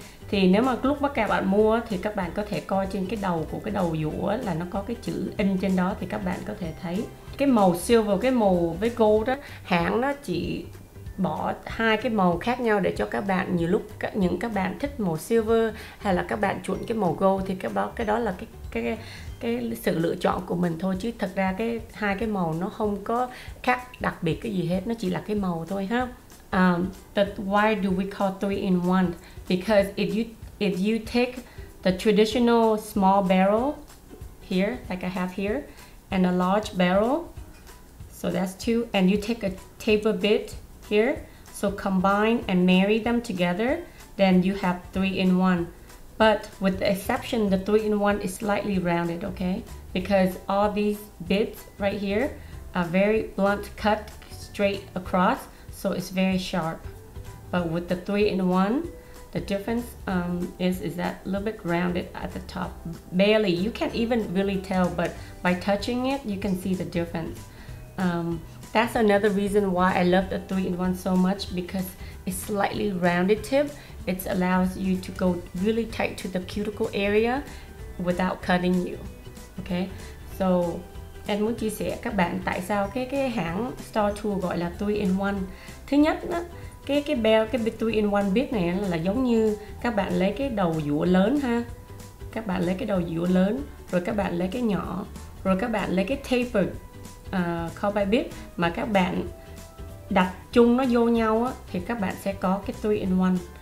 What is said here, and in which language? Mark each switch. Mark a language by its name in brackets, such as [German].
[Vietnamese] Thì nếu mà lúc mà các bạn mua thì các bạn có thể coi trên cái đầu của cái đầu dũa là nó có cái chữ in trên đó, thì các bạn có thể thấy cái màu silver, cái màu với gold đó, hãng nó chỉ bỏ hai cái màu khác nhau để cho các bạn, nhiều lúc những các bạn thích màu silver hay là các bạn chuộng cái màu gold thì cái đó là cái sự lựa chọn của mình thôi, chứ thật ra cái hai cái màu nó không có khác đặc biệt cái gì hết, nó chỉ là cái màu thôi ha. [English] Why do we call 3-in-1? Because if you take the traditional small barrel here, like I have here, and a large barrel, so that's 2, and you take a taper bit here, so combine and marry them together, then you have 3-in-1. But with the exception, the 3-in-1 is slightly rounded, okay? Because all these bits right here are very blunt, cut straight across, so it's very sharp. But with the 3-in-1, the difference is that a little bit rounded at the top, barely. You can't even really tell, but by touching it, you can see the difference. That's another reason why I love the 3-in-1 so much, because it's slightly rounded tip. It allows you to go really tight to the cuticle area without cutting you. [Vietnamese] Okay, so em muốn chia sẻ các bạn tại sao cái hãng Star Tool gọi là [English] 3-in-1. [Vietnamese] Thứ nhất đó, cái [English] 3-in-1 bit [Vietnamese] này là giống như các bạn lấy cái đầu dũa lớn ha. Các bạn lấy cái đầu dũa lớn, rồi các bạn lấy cái nhỏ, rồi các bạn lấy cái [English] tapered carbide bit [Vietnamese] mà các bạn đặt chung nó vô nhau á, thì các bạn sẽ có cái 3-in-1.